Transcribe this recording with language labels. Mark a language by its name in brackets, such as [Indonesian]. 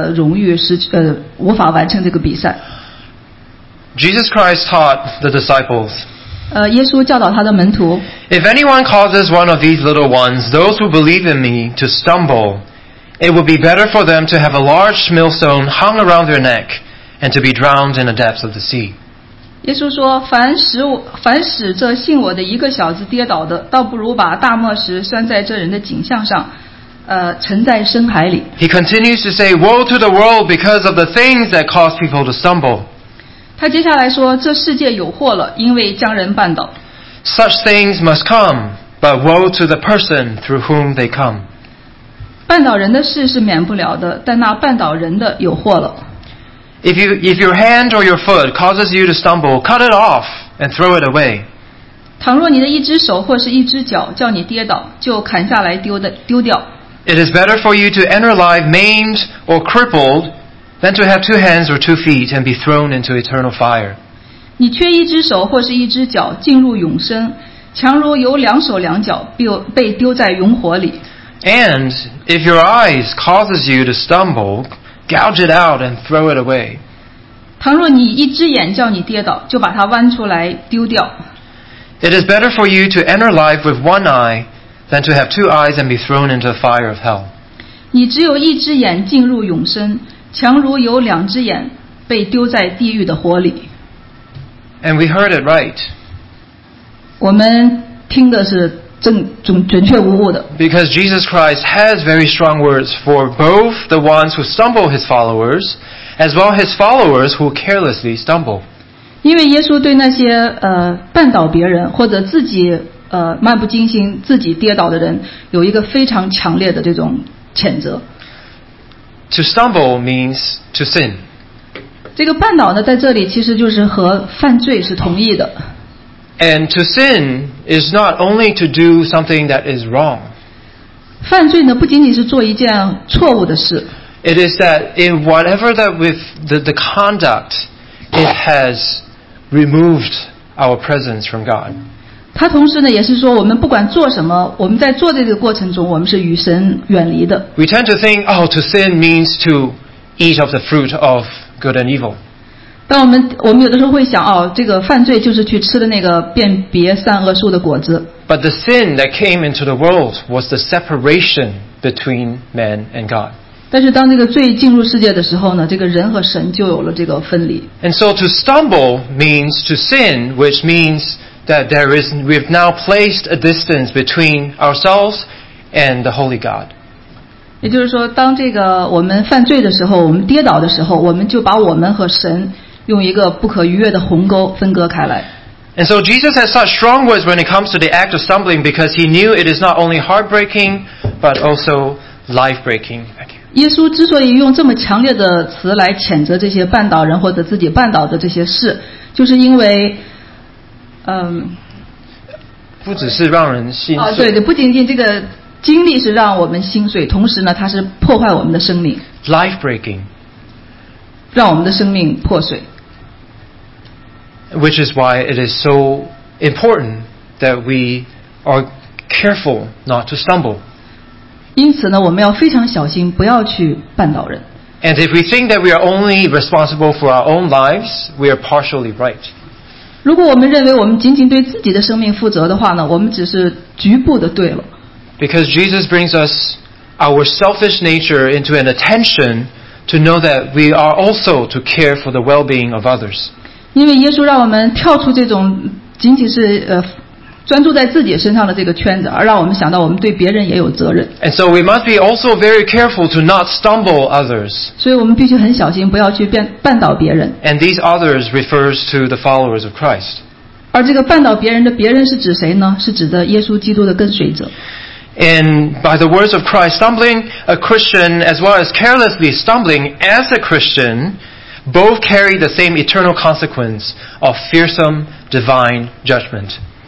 [Chinese] 就是说这种因为跌倒，然后呢，失去了这个荣誉，失去无法完成这个比赛。 [English] Jesus Christ taught the disciples. [Chinese] 耶稣教导他的门徒, [English] if anyone causes one of these little ones, those who believe in me, to stumble, it would be better for them to have a large millstone hung around their neck and to be drowned in the depths of the sea. [Chinese] 耶稣说，凡使这信我的一个小子跌倒的，倒不如把大磨石拴在这人的颈项上，沉在深海里。 [English] He continues to say, woe to the world because of the things that cause people to stumble. [Chinese] 他接下来说，这世界有祸了，因为将人绊倒。 [English] Such things must come, but woe to the person through whom they come. [Chinese] 绊倒人的事是免不了的，但那绊倒人的有祸了。 [English] If your hand or your foot causes you to stumble, cut it off and throw it away. [Chinese] 倘若你的一只手或是一只脚叫你跌倒，就砍下来丢掉。 [English] It is better for you to enter life maimed or crippled than to have two hands or two feet and be thrown into eternal fire. [Chinese] 你缺一只手或是一只脚进入永生，强如有两手两脚被丢在永火里。 [English] And if your eyes causes you to stumble, gouge it out and throw it away. [Chinese] 倘若你一只眼叫你跌倒，就把它剜出来丢掉。 [English] It is better for you to enter life with one eye than to have two eyes and be thrown into the fire of hell. [Chinese] 你只有一只眼进入永生，强如有两只眼被丢在地狱的火里。 [English] And we heard it right. [Chinese] 我们听的是准确无误的。 [English] Because Jesus Christ has very strong words for both the ones who stumble his followers, as well as his followers who carelessly stumble. [Chinese] 因为耶稣对那些绊倒别人或者自己漫不经心自己跌倒的人有一个非常强烈的这种谴责。 [English] To stumble means to sin. [Chinese] 这个绊倒呢，在这里其实就是和犯罪是同义的。 [English] And to sin is not only to do something that is wrong. [Chinese] 犯罪呢，不仅仅是做一件错误的事。 [English] It is that in whatever that with the conduct, it has removed our presence from God. [Chinese] 他同时呢，也是说，我们不管做什么，我们在做这个过程中，我们是与神远离的。 [English] We tend to think, oh, to sin means to eat of the fruit of good and evil. [Chinese] 但我们有的时候会想，哦，这个犯罪就是去吃的那个辨别善恶树的果子。 [English] But the sin that came into the world was the separation between man and God. [Chinese] 但是当这个罪进入世界的时候呢，这个人和神就有了这个分离。 [English] And so to stumble means to sin, which means that we've now placed a distance between ourselves and the Holy God. [Chinese] 也就是说，当这个我们犯罪的时候，我们跌倒的时候，我们就把我们和神用一个不可逾越的鸿沟分割开来。 [English] And so Jesus has such strong words when it comes to the act of stumbling because he knew it is not only heartbreaking but also life-breaking. [Chinese] 耶稣之所以用这么强烈的词来谴责这些绊倒人或者自己绊倒的这些事，就是因为，不只是让人心碎。对，不仅仅这个。经历是让我们心碎，同时呢，它是破坏我们的生命。 [English] Life breaking， [Chinese] 让我们的生命破碎。 [English] Which is why it is so important that we are careful not to stumble。 [Chinese] 因此呢，我们要非常小心，不要去绊倒人。 [English] And if we think that we are only responsible for our own lives, we are partially right。 [Chinese] 如果我们认为我们仅仅对自己的生命负责的话呢，我们只是局部的对了。 [English] Because Jesus brings us our selfish nature into an attention to know that we are also to care for the well-being of others. [Chinese] 因为耶稣让我们跳出这种仅仅是专注在自己身上的这个圈子，而让我们想到我们对别人也有责任。 [English] And so we must be also very careful to not stumble others. [Chinese] 所以我们必须很小心，不要去绊倒别人。 [English] And these others refers to the followers of Christ. [Chinese] 而这个绊倒别人的别人是指谁呢？是指的耶稣基督的跟随者。 [English] And by the words of Christ, stumbling a Christian as well as carelessly stumbling as a Christian, both carry the same eternal consequence of fearsome divine judgment.